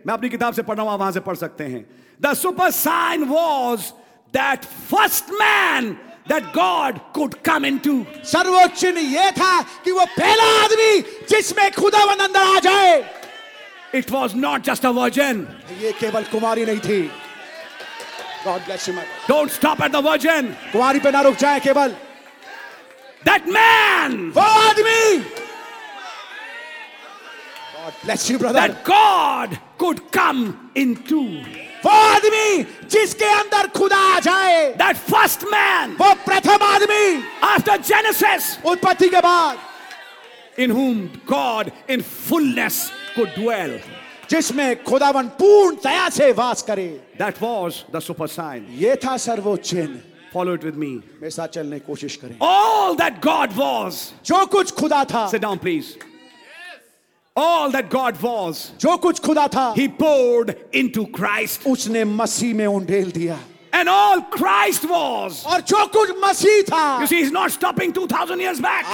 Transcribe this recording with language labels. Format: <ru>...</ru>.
<hi>मैं अपनी किताब से पढ़ना हूं, वहां से पढ़ सकते हैं.</hi> <en>The super sign was that first man that God could come into.</en> <hi>सर्वोच्च चिन्ह ये था कि वो पहला आदमी जिसमें खुदावंद अंदर आ जाए.</hi> <en>It was not just a virgin.</en> <hi>ये केवल कुमारी नहीं थी.</hi> <en>God bless you, my brother. Don't stop at the virgin.</en> <hi>कुमारी पे ना रुक जाए केवल.</hi> <en>That man.</en> <hi>वो आदमी.</hi> <en>God bless you, brother. That God could come into.</en> <hi>वो आदमी जिसके अंदर खुदा आ जाए.</hi> <en>That first man.</en> <hi>वो प्रथम आदमी.</hi> <en>After Genesis.</en> <hi>उत्पत्ति के बाद.</hi> <en>In whom God in fullness could dwell.</en> <hi>जिसमें खुदावन पूर्णतया से वास करे.</hi> <en>That was the super sign.</en> <hi>ये था सर्वोच्च चिन्ह.</hi> <en>Follow it with me.</en> <hi>मेरे साथ चलने की कोशिश करें.</hi> <en>All that God was.</en> <hi>जो कुछ खुदा था.</hi> <en>Sit down, please. All that God was.</en> <hi>जो कुछ खुदा था.</hi> <en>He poured into Christ.</en> <hi>उसने मसीह में उंडेल दिया.</hi> <en>And all Christ was.</en> <hi>और जो कुछ मसीह था.</hi> <en>You see, he's not stopping 2,000 years back.</en>